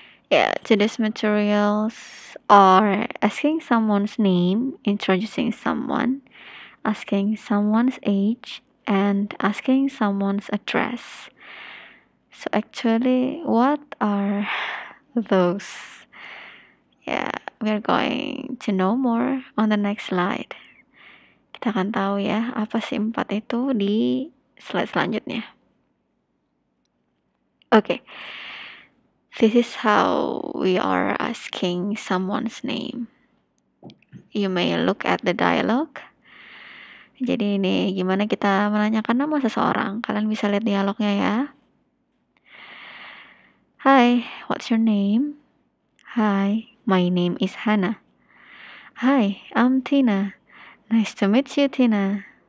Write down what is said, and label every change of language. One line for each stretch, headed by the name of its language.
English: Yeah, today's materials are asking someone's name, introducing someone, asking someone's age, and asking someone's address. So actually, what are those? Yeah, we're going to know more on the next slide.
Indonesian: Kita akan tahu ya apa sih empat itu di slide selanjutnya.
English: Okay, this is how we are asking someone's name. You may look at the dialogue.
Indonesian: Jadi ini gimana kita menanyakan nama seseorang. Kalian bisa lihat dialognya ya.
English: Hi, what's your name? Hi, my name is Hannah. Hi, I'm Tina. Nice to meet you, Tina.